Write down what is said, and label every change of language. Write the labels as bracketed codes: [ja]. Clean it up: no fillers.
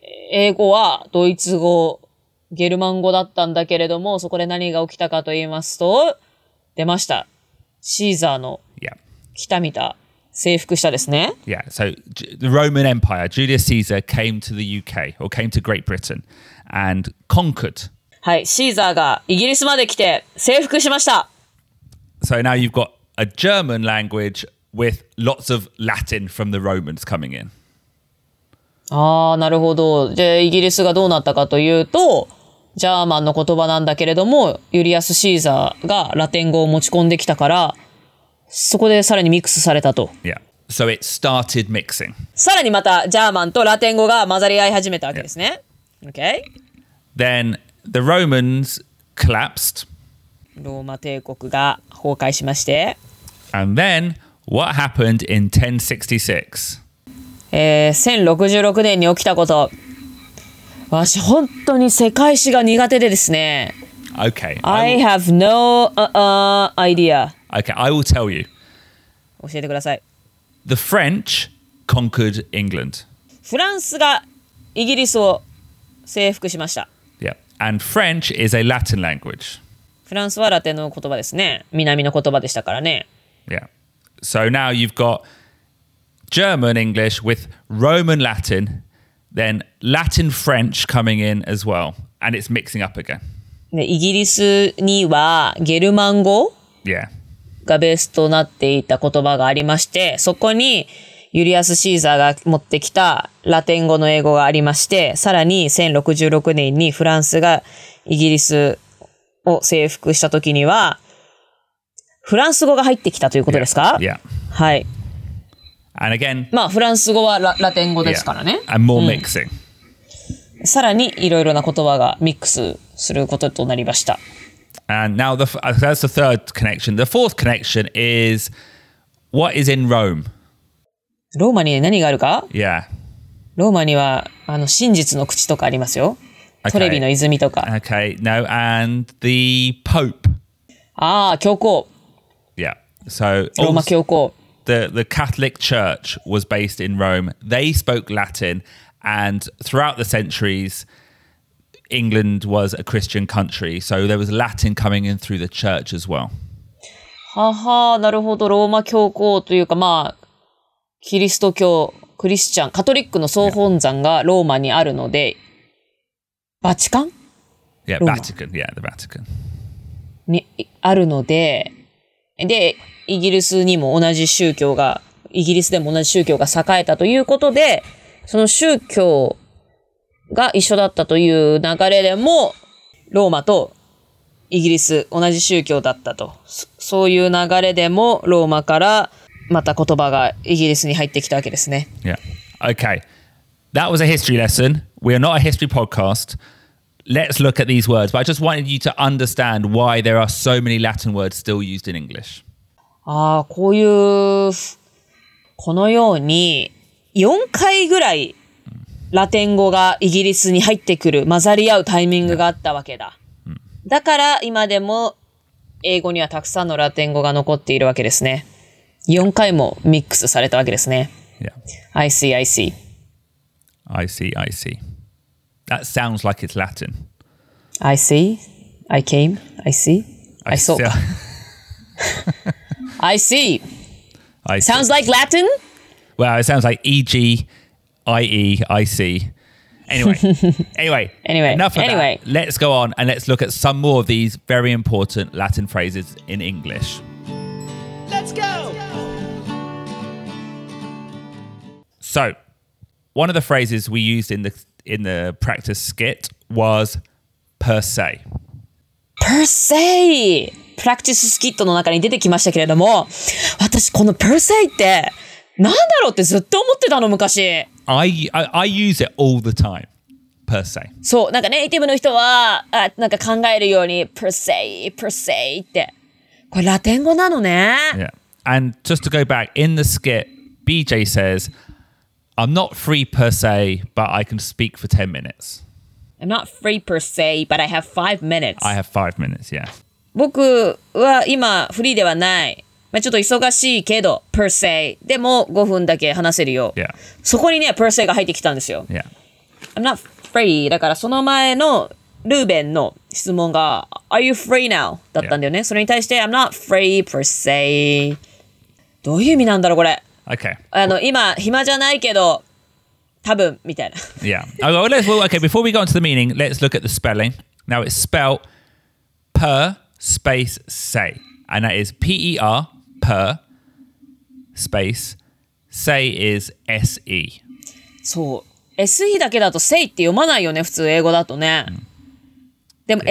[ja] 英語はドイツ語、ゲルマン語だったんだけれども、そこで何が起きたかと言いますと、出ました。シーザーの来た見た、征服したですね。 [en] Yeah, so the Roman Empire, Julius Caesar came to the UK, or came to Great Britain, and conquered. [ja] はい、シーザーがイギリスまで来て征服しました。 [en] So now you've got a German language with lots of Latin from the Romans coming in. [ja] ああ、なるほど。で、イギリスがどうなったかというと、ジャーマンの言葉なんだけれども、ユリアス・シーザーがラテン語を持ち込んできたから、そこでさらにミックスされたと。 [en] Yeah. So it started mixing. [ja] さらにまた、ジャーマンとラテン語が混ざり合い始めたわけですね。 [en] Yeah. Okay. Then, the Romans collapsed. [ja] ローマ帝国が崩壊しまして。 [en] And then, what happened in 1066? [ja] 1066年に起きたこと。私本当に世界史が苦手でですね。 [en] Okay. I have no idea. Okay, I will tell you. [ja] 教えてください。 [en] The French conquered England. [ja] フランスがイギリスを征服しました。 [en] Yeah. And French is a Latin language. [ja] フランスはラテンの言葉ですね。南の言葉でしたからね。 [en] Yeah. So now you've got... German English with Roman Latin, then Latin French coming in as well, and it's mixing up again. [ja] で、イギリスにはゲルマン語がベースとなっていた言葉がありまして、そこにユリアス・シーザーが持ってきたラテン語の英語がありまして、さらに1066年にフランスがイギリスを征服した時にはフランス語が入ってきたということですか? [en] Yeah. [ja] はい。 [en] And again, [ja] まあフランス語はラテン語ですからね。 [en] Yeah, and more mixing. [ja] さらにいろいろな言葉がミックスすることとなりました。 [en] And now that's the third connection. The fourth connection is what is in Rome? [ja] ローマに何があるか? [en] Yeah. [ja] ローマにはあの真実の口とかありますよ。 Okay. トレビの泉とか。 [en] Okay. Now and the Pope. [ja] ああ、教皇。 [en] Yeah. So, [ja] ローマ教皇。 [en] The Catholic Church was based in Rome. They spoke Latin, and throughout the centuries, England was a Christian country. So there was Latin coming in through the church as well. [ja] Haha, なるほど。ローマ教皇というか、まあ、キリスト教、クリスチャン、カトリックの総本山がローマにあるので、バチカン? [en] Yeah, Vatican. Yeah, the Vatican. [ja] にあるので、で、イギリスにも同じ宗教が、イギリスでも同じ宗教が栄えたということで、その宗教が一緒だったという流れでも、ローマとイギリス同じ宗教だったと。そういう流れでも、ローマからまた言葉がイギリスに入ってきたわけですね。 [en] Yeah. Okay. That was a history lesson. We are not a history podcast. Let's look at these words. But I just wanted you to understand why there are so many Latin words still used in English. [ja] ああ、こういう、このように、4回ぐらいラテン語がイギリスに入ってくる、混ざり合うタイミングがあったわけだ。だから今でも英語にはたくさんのラテン語が残っているわけですね。 4回もミックスされたわけですね。 [en] Yeah. I see, I see. I see, I see. That sounds like it's Latin. I see. I came. I see. I saw. I see. I sounds see. Like Latin? Well, it sounds like E-G, I-E, I see. Anyway, enough of anyway. that. Let's go on and let's look at some more of these very important Latin phrases in English. Let's go! So, one of the phrases we used in the practice skit was per se. P [ja] per se プラクティススキットの中に出てきましたけれども、私この per se ってなんだろうってずっと思ってたの昔。 [en] I use it all the time per se。 [ja] そう、なんかネイティブの人はあなんか考えるように per se per se ってこれラテン語なのね。 [en] Yeah. And just to go back, in the skit, BJ says, I'm not free per se, but I can speak for 10 minutes. I'm not free per se, but I have 5 minutes. I have 5 minutes, yeah. [ja] 僕は今フリーではない。まあ、ちょっと忙しいけど、per se。でも5分だけ話せるよ。 [en] Yeah. [ja] そこにね、per se が入ってきたんですよ。 [en] Yeah. I'm not free. [ja] だからその前のルーベンの質問が [en] Are you free now? [ja] だったんだよね、yeah. それに対して [en] I'm not free per se [ja] どういう意味なんだろうこれ [en] Okay. [ja] あの、well, 今暇じゃないけど多分みたいな [en] Yeah. Okay, well, okay, before we go on to the meaning, let's look at the spelling. Now it's spelled per space say and that is P-E-R per space say is S-E [ja] そう S-E だけだと say って読まないよね普通英語だとね、mm. でも、yeah.